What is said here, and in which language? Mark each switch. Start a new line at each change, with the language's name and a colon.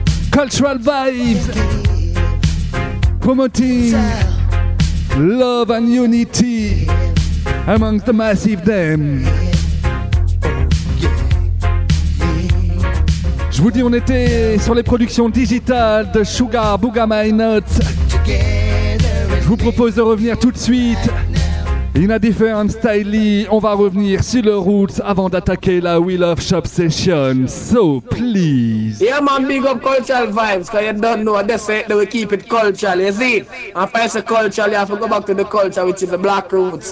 English: Cultural Vibes, promoting love and unity amongst the massive them.
French: Je vous dis, on était sur les productions digitales de Sugar Booga My Note. Je vous propose de revenir tout de suite
English: in a different style.
French: On va revenir sur le roots avant d'attaquer la Wheel of Shop session.
English: So please. Yeah man, big up cultural vibes, cause you don't know they say they will keep it cultural, you see? And for it's a cultural, you have to go back to the culture, which is the black roots.